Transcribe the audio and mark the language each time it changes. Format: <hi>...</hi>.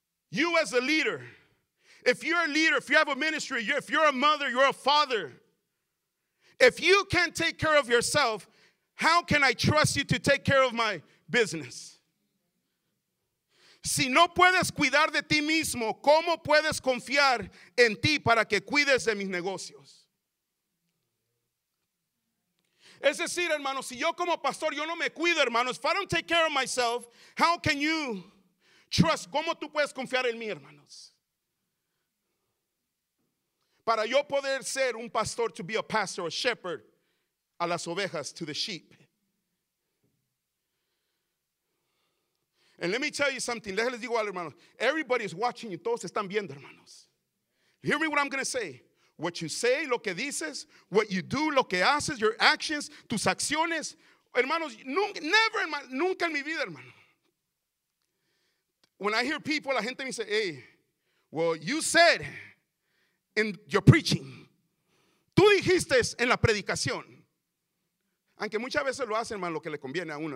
<en>You as a leader, if you're a leader, if you have a ministry, if you're a mother, you're a father, if you can't take care of yourself, How can I trust you to take care of my business?</en> <es>Si no puedes cuidar de ti mismo, ¿cómo puedes confiar en ti para que cuides de mis negocios? Es decir, hermano, si yo como pastor, yo no me cuido, hermano.</es> <en>If I don't take care of myself, how can you trust?</en> <es>¿Cómo tú puedes confiar en mí, hermanos? Para yo poder ser un pastor,</es> <en>to be a pastor, a shepherd,</en> <es>a las ovejas,</es> <en>to the sheep. And let me tell you something.</en> <es>Déjenles digo algo, hermanos.</es> <en>Everybody is watching you.</en> <es>Todos están viendo, hermanos.</es> <en>Hear me what I'm going to say. What you say,</en> <es>lo que dices,</es> <en>what you do,</en> <es>lo que haces,</es> <en>your actions,</en> <es>tus acciones. Hermanos, nunca en mi vida, hermano.</es> <en>When I hear people,</en> <es>la gente me dice,</es> <en>hey, well, you said in your preaching.</en> <es>Tú dijiste en la predicación. Aunque muchas veces lo hacen, hermano, lo que le conviene a uno.</es>